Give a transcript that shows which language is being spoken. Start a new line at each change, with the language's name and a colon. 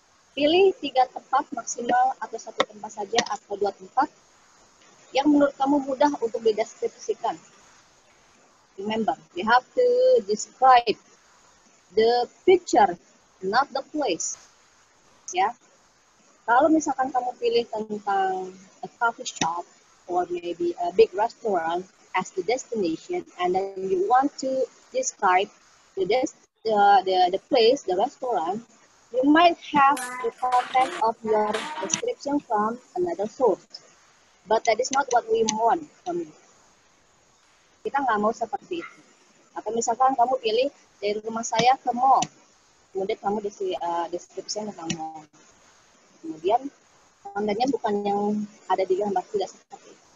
Indonesian: Pilih 3 tempat maksimal atau 1 tempat saja atau 2 tempat yang menurut kamu mudah untuk dideskripsikan.
English: Remember, you have to describe the picture, not the place. Ya.
Indonesian: Kalau misalkan kamu pilih tentang
English: a coffee shop or maybe a big restaurant as the destination, and then you want to describe the place, the restaurant, you might have the content of your description from another source. But that is not what we want from you.
Indonesian: Kita nggak mau seperti itu. Atau misalkan kamu pilih dari rumah saya ke mall, kemudian kamu deskripsikan tentang mall. Kemudian tandanya bukan yang ada di gambar, tidak seperti itu.